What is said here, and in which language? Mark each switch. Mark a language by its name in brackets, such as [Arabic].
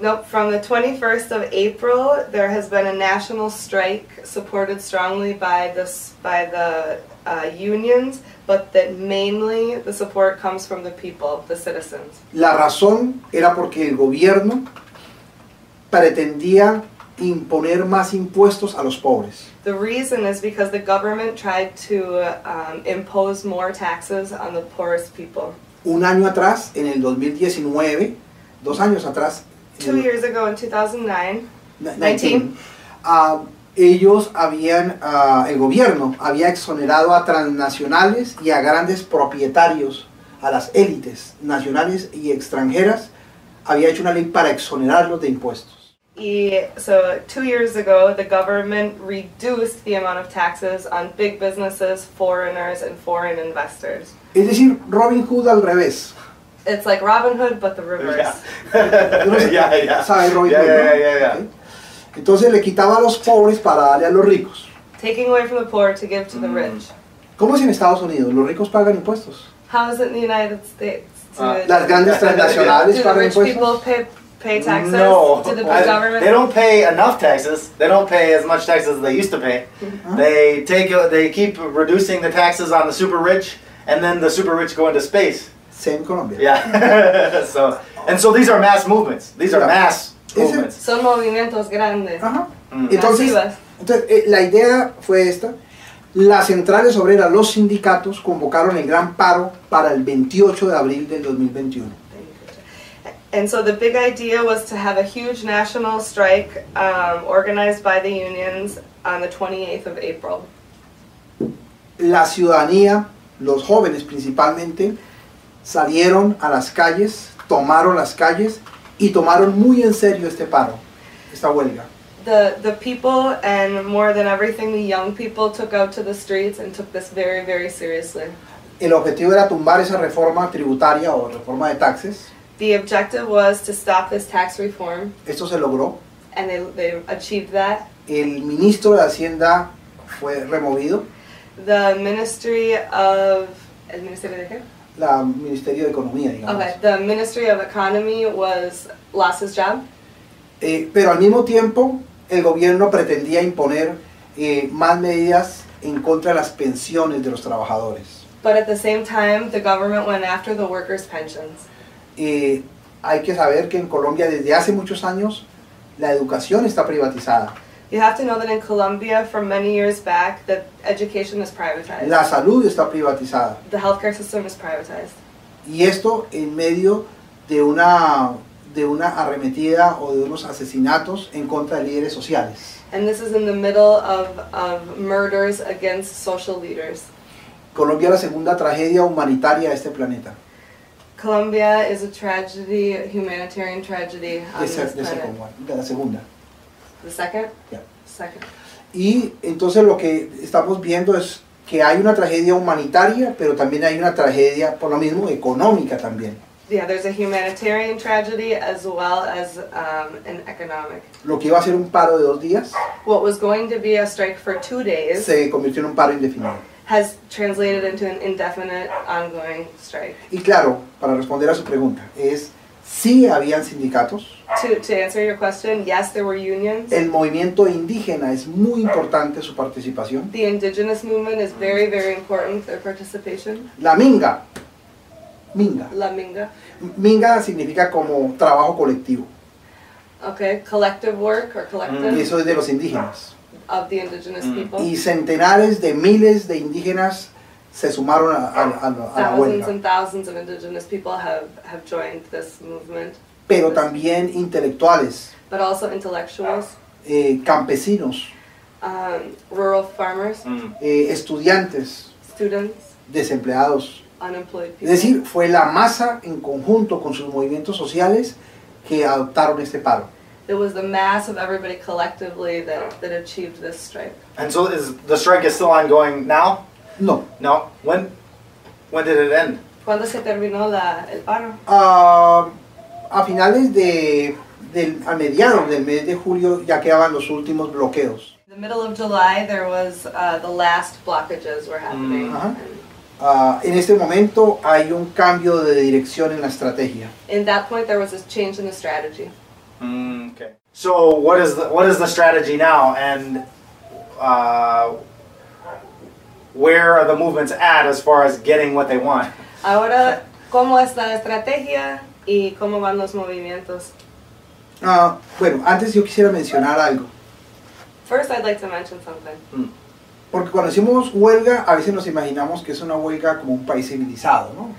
[English] From the 21st of April, there has been a national strike supported strongly by the unions, but that mainly the support comes from the people, the citizens. [Spanish] La razón era porque el gobierno pretendía imponer más impuestos a los pobres. [English] The reason is because the government tried to impose more taxes on the poorest people. [Spanish] Un año atrás, en el 2019, dos años atrás. [English] Two years ago, in 2019. 19. [Spanish] Ellos habían, el gobierno había exonerado a transnacionales y a grandes propietarios, a las élites nacionales y extranjeras, había hecho una ley para exonerarlos de impuestos. [English] Y, so 2 years ago, the government reduced the amount of taxes on big businesses, foreigners, and foreign investors. [Spanish] Es decir, Robin Hood al revés. [English] It's like Robin Hood, but the reverse. Yeah, yeah. [Spanish] ¿Sabe Robin Hood? Entonces le quitaba a los pobres para darle a los ricos. [English] Taking away from the poor to give to the rich. [Spanish] ¿Cómo es en Estados Unidos? Los ricos pagan impuestos. [English] How is it in the United States? [Spanish] Las grandes transnacionales pagan impuestos. [English] Do the rich people pay taxes? No. To the government? They don't pay enough taxes. They don't pay as much taxes as they used to pay. Mm-hmm. They keep reducing the taxes on the super rich, and then the super rich go into space. Same Colombia. Yeah. So these are mass movements. These are mass movements. [Spanish] Son movimientos grandes. [English] Uh-huh. [Spanish] Mm. Entonces, la idea fue esta. Las centrales obreras, los sindicatos, convocaron el gran paro para el 28 de abril del 2021. [English] And so the big idea was to have a huge national strike organized by the unions on the 28th of April. [Spanish] La ciudadanía, los jóvenes principalmente, salieron a las calles, tomaron las calles y tomaron muy en serio este paro, esta huelga. [English] The people and more than everything the young people took out to the streets and took this very, very seriously. [Spanish] El objetivo era tumbar esa reforma tributaria o reforma de taxes. [English] The objective was to stop this tax reform. [Spanish] Esto se logró. [English] And they achieved that. [Spanish] El ministro de Hacienda fue removido. [English] The Ministry of... [Spanish] ¿El Ministerio de qué? La Ministerio de Economía, digamos. [English] Okay, the Ministry of Economy lost his job. [Spanish] Pero al mismo tiempo, el gobierno pretendía imponer más medidas en contra de las pensiones de los trabajadores. [English] But at the same time, the government went after the workers' pensions. [Spanish] Hay que saber que en Colombia desde hace muchos años la educación está privatizada. [English] You have to know that in Colombia, from many years back, that education is privatized. [Spanish] La salud está privatizada. [English] The healthcare system is privatized. [Spanish] Y esto en medio de una arremetida o de unos asesinatos en contra de líderes sociales. [English] And this is in the middle of murders against social leaders. [Spanish] Colombia es la segunda tragedia humanitaria de este planeta. [English] Colombia is a tragedy, humanitarian tragedy on this planet. [Spanish] De la segunda. [English] The second? Yeah. Second. [Spanish] Y entonces lo que estamos viendo es que hay una tragedia humanitaria, pero también hay una tragedia, por lo mismo, económica también. [English] Yeah, there's a humanitarian tragedy as well as an economic. [Spanish] Lo que iba a ser un paro de dos días. [English] What was going to be a strike for 2 days. [Spanish] Se convirtió en un paro indefinido. [English] Has translated into an indefinite ongoing strike. [Spanish] Y claro, para responder a su pregunta, es sí habían sindicatos. [English] To answer your question, yes, there were unions. [Spanish] El movimiento indígena es muy importante su participación. [English] The indigenous movement is very, very important, their participation. [Spanish] La minga. Minga. La minga. Minga significa como trabajo colectivo. [English] Okay, collective work or collective. [Spanish] Y eso es de los indígenas. [English] Of the indigenous people. [Spanish] Y centenares de miles de indígenas se sumaron a la huelga. [English] Thousands and thousands of indigenous people have joined this movement. [Spanish] Pero también intelectuales. [English] But also intellectuals. [Spanish] Campesinos. [English] Rural farmers. [Spanish] Estudiantes. [English] Students. [Spanish] Desempleados. [English] Unemployed people. [Spanish] Es decir, fue la masa en conjunto con sus movimientos sociales que adoptaron este paro. [English] It was the mass of everybody collectively that achieved this strike. And so is the strike is still ongoing now? No. No? When did it end? [Spanish] ¿Cuándo se terminó el paro? A finales a mediados del mes de julio ya quedaban los últimos bloqueos. [English] In the middle of July there was the last blockages were happening. Uh-huh. [Spanish] En este momento hay un cambio de dirección en la estrategia. [English] In that point there was a change in the strategy. Okay. So what is the strategy now, and where are the movements at as far as getting what they want? [Spanish] Ahora, ¿cómo está la estrategia y cómo van los movimientos? Bueno, antes yo quisiera mencionar algo. [English] First, I'd like to mention something. [Spanish] Porque cuando decimos huelga, a veces nos imaginamos que es una huelga como un país civilizado, ¿no?